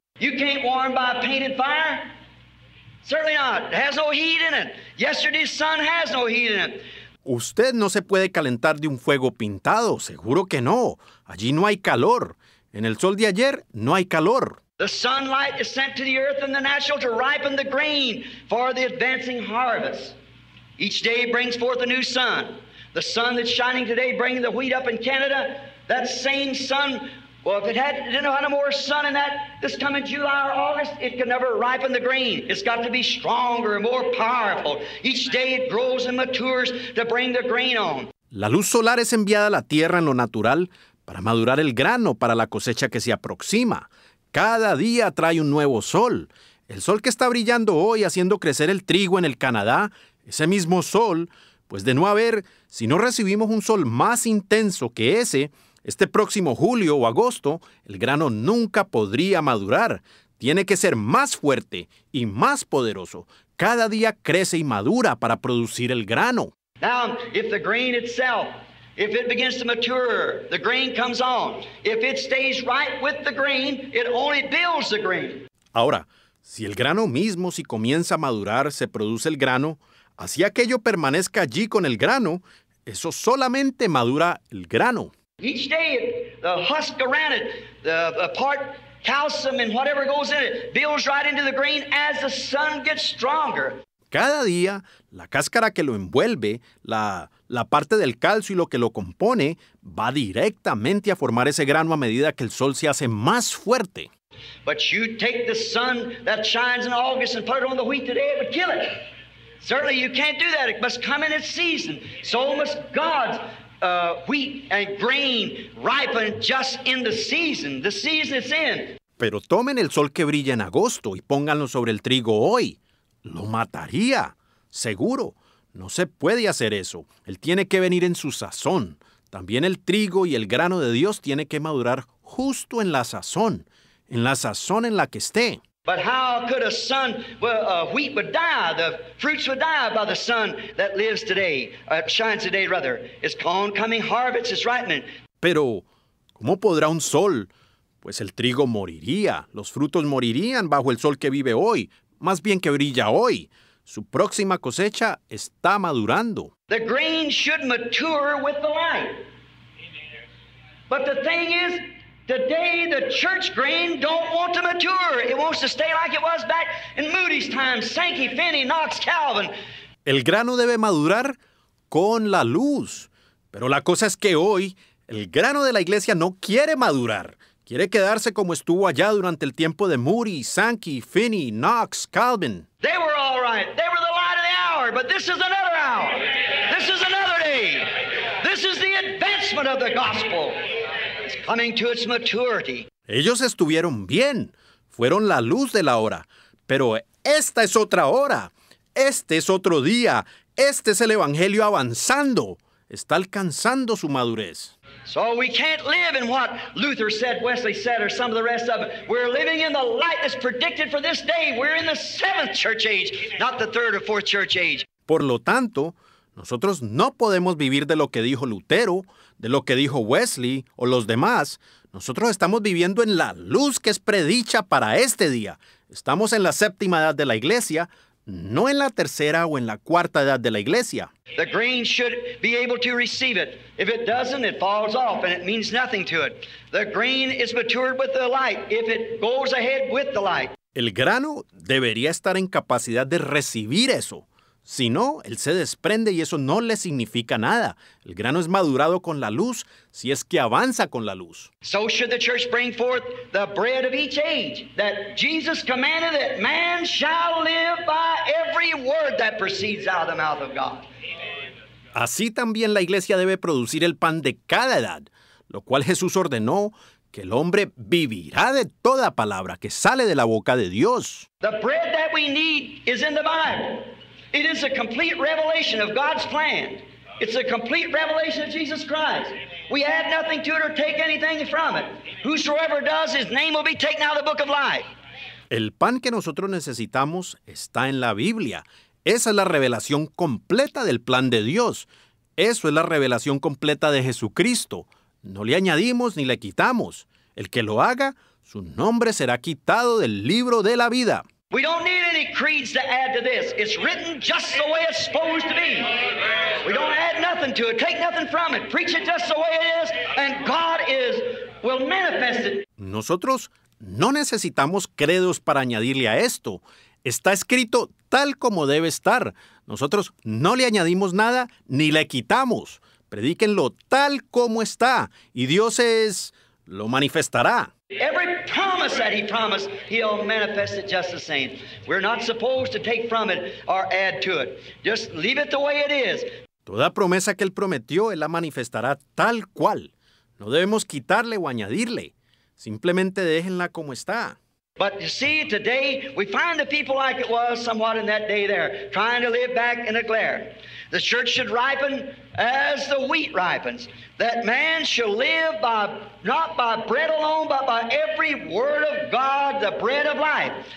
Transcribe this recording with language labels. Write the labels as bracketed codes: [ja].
[en] You can't warm by a painted fire. Certainly not. It has no heat in it. Yesterday's sun has no heat in it. [es] Usted no se puede calentar de un fuego pintado. Seguro que no. Allí no hay calor. En el sol de ayer no hay calor. [en] The sunlight is sent to the earth and the natural to ripen the grain for the advancing harvest. Each day brings forth a new sun. The sun that's shining today bringing the wheat up in Canada, that same sun, well, if it didn't have more sun in that this coming July or August, it could never ripen the grain. It's got to be stronger and more powerful. Each day it grows and matures to bring the grain on. [es] La luz solar es enviada a la tierra en lo natural para madurar el grano para la cosecha que se aproxima. Cada día trae un nuevo sol. El sol que está brillando hoy haciendo crecer el trigo en el Canadá, ese mismo sol, pues de no haber, si no recibimos un sol más intenso que ese, este próximo julio o agosto, el grano nunca podría madurar. Tiene que ser más fuerte y más poderoso. Cada día crece y madura para producir el grano. [en] Now, if the grain itself, if it begins to mature, the grain comes on. If it stays right with the grain, it only builds the grain. [es] Ahora, si el grano mismo, si comienza a madurar, se produce el grano, así aquello permanezca allí con el grano, eso solamente madura el grano. [en] Each day, the husk around it, the part calcium and whatever goes in it, builds right into the grain as the sun gets stronger. [es] Cada día, la cáscara que lo envuelve, la parte del calcio y lo que lo compone, va directamente a formar ese grano a medida que el sol se hace más fuerte. [en] But you take the sun that shines in August and put it on the wheat today, it would kill it. Certainly you can't do that. It must come in its season. So must God's wheat and grain ripen just in the season it's in. [es] Pero tomen el sol que brilla en agosto y pónganlo sobre el trigo hoy. Lo mataría. Seguro. No se puede hacer eso. Él tiene que venir en su sazón. También el trigo y el grano de Dios tiene que madurar justo en la sazón. En la sazón en la que esté. [en] But how could a sun, well, wheat would die, the fruits would die by the sun that lives today, shines today rather. It's corn coming, harvest is ripening. [es] Pero, ¿cómo podrá un sol? Pues el trigo moriría, los frutos morirían bajo el sol que vive hoy, más bien que brilla hoy. Su próxima cosecha está madurando. [en] The grain should mature with the light. But the thing is, today, the church grain don't want to mature. It wants to stay like it was back in Moody's time, Sankey, Finney, Knox, Calvin. [es] El grano debe madurar con la luz. Pero la cosa es que hoy, el grano de la iglesia no quiere madurar. Quiere quedarse como estuvo allá durante el tiempo de Moody, Sankey, Finney, Knox, Calvin. [en] They were all right. They were the light of the hour. But this is another hour. This is another day. This is the advancement of the gospel. Coming to its maturity. [es] Ellos estuvieron bien. Fueron la luz de la hora. Pero esta es otra hora. Este es otro día. Este es el evangelio avanzando. Está alcanzando su madurez. [en] So we can't live in what Luther said, Wesley said, or some of the rest of it. We're living in the light that's predicted for this day. We're in the seventh church age, not the third or fourth church age. [es] Por lo tanto, Nosotros no podemos vivir de lo que dijo Lutero, de lo que dijo Wesley o los demás. Nosotros estamos viviendo en la luz que es predicha para este día. Estamos en la séptima edad de la iglesia, no en la tercera o en la cuarta edad de la iglesia. [en] The grain should be able to receive it. If it doesn't, it falls off and it means nothing to it. The grain is matured with the light if it goes ahead with the light. [es] El grano debería estar en capacidad de recibir eso. Si no, él se desprende y eso no le significa nada. El grano es madurado con la luz si es que avanza con la luz. [en] So should the church bring forth the bread of each age that Jesus commanded that man shall live by every word that proceeds out of the mouth of God. [es] Así también la iglesia debe producir el pan de cada edad, lo cual Jesús ordenó que el hombre vivirá de toda palabra que sale de la boca de Dios. [en] The bread that we need is in the Bible. It is a complete revelation of God's plan. It's a complete revelation of Jesus Christ. We add nothing to it or take anything from it. Whosoever does, his name will be taken out of the book of life. [es] El pan que nosotros necesitamos está en la Biblia. Esa es la revelación completa del plan de Dios. Eso es la revelación completa de Jesucristo. No le añadimos ni le quitamos. El que lo haga, su nombre será quitado del libro de la vida. [en] We don't need any creeds to add to this. It's written just the way it's supposed to be. We don't add nothing to it, take nothing from it. Preach it just the way it is, and God will manifest it. [es] Nosotros no necesitamos credos para añadirle a esto. Está escrito tal como debe estar. Nosotros no le añadimos nada ni le quitamos. Predíquenlo tal como está, y Dios es lo manifestará. [en] Every promise that he promised, he'll manifest it just the same. We're not supposed to take from it or add to it. Just leave it the way it is. [es] Toda promesa que él prometió, él la manifestará tal cual. No debemos quitarle o añadirle. Simplemente déjenla como está. [en] But you see, today we find the people like it was somewhat in that day there, trying to live back in a glare. The church should ripen as the wheat ripens, that man shall live by not by bread alone, but by every word of God, the bread of life.